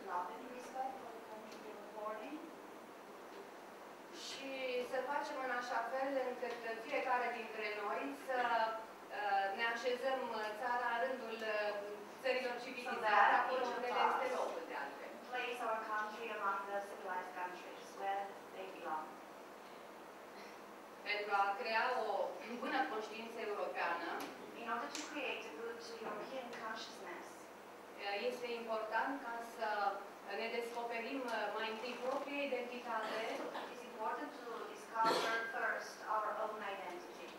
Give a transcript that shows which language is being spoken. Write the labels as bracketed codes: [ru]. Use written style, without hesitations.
[en] Love and respect for the country they were born in. [ro] Și să facem în așa fel încât fiecare dintre noi să ne așezăm țara în rândul țărilor civilizate, acolo unde le este locul de altfel. [en] Place our country among the civilized countries where they belong. [ro] Pentru a crea o bună conștiință europeană, [en] in order to create a good European consciousness, [ro] este important ca să ne descoperim mai întâi propria identitate. [en] It is important to discover first our own identity.